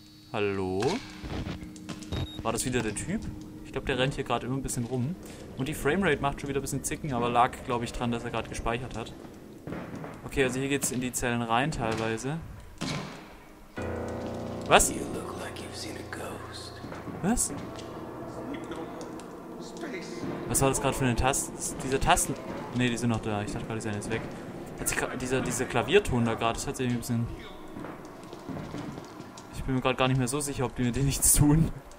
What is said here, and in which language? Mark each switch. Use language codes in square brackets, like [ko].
[de] Hallo? War das wieder der Typ? Ich glaube, der rennt hier gerade immer ein bisschen rum. Und die Framerate macht schon wieder ein bisschen zicken, aber lag, glaube ich, dran, dass er gerade gespeichert hat. Okay, also hier geht's in die Zellen rein teilweise. Was? [en] You look like you've seen a ghost. [de] Was? Was war das gerade für eine Taste? Diese Tasten... Ne, die sind noch da. Ich dachte gerade, die sind jetzt weg. Hat sich dieser Klavierton da gerade, das hat sich ein bisschen... Ich bin mir gerade gar nicht mehr so sicher, ob die mir die nichts tun.